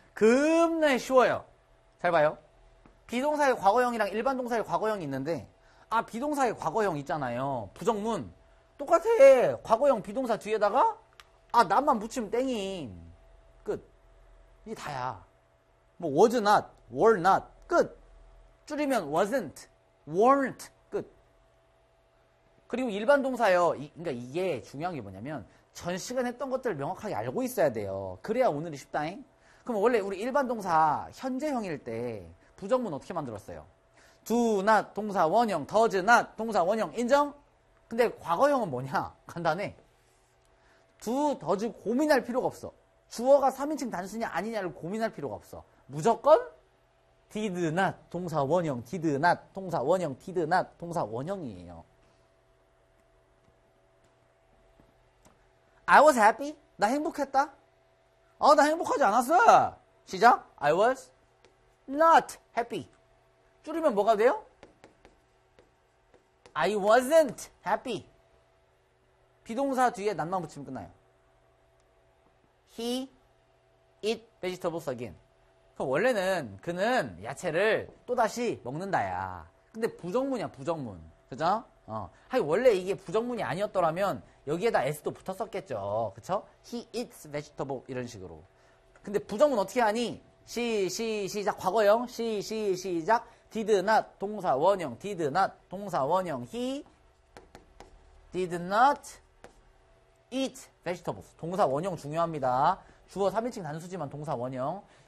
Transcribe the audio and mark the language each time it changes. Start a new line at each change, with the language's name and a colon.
Korean: 겁나 쉬워요. 잘 봐요. 비동사의 과거형이랑 일반 동사의 과거형이 있는데, 아, 비동사의 과거형 있잖아요. 부정문. 똑같아. 과거형 비동사 뒤에다가, 아, 나만 붙이면 땡임. 끝. 이게 다야. 뭐,
English: was not, were not.
Korean: 끝. 줄이면 wasn't, weren't. 끝. 그리고 일반 동사요. 그러니까 이게 중요한 게 뭐냐면, 전 시간 했던 것들을 명확하게 알고 있어야 돼요. 그래야 오늘이 쉽다잉. 그럼 원래 우리 일반 동사 현재형일 때 부정문 어떻게 만들었어요? do not 동사 원형, does not 동사 원형 인정? 근데 과거형은 뭐냐? 간단해. do, does 고민할 필요가 없어. 주어가 3인칭 단수냐 아니냐를 고민할 필요가 없어. 무조건 did not 동사 원형, did not 동사 원형, did not 동사 원형이에요.
English: I was happy.
Korean: 나 행복했다. 아, 나 행복하지 않았어. 시작.
English: I was not happy.
Korean: 줄이면 뭐가 돼요?
English: I wasn't happy.
Korean: 비동사 뒤에 not만 붙이면 끝나요.
English: He eat vegetables again.
Korean: 그럼 원래는 그는 야채를 또다시 먹는다야. 근데 부정문이야, 부정문. 그죠? 하긴 원래 이게 부정문이 아니었더라면 여기에다 S도 붙었었겠죠. 그쵸?
English: He eats vegetable 이런 식으로.
Korean: 근데 부정문 어떻게 하니? 시작 과거형. 시작 did not 동사 원형. did not 동사 원형.
English: He did not eat vegetables.
Korean: 동사 원형 중요합니다. 주어 3인칭 단수지만 동사 원형.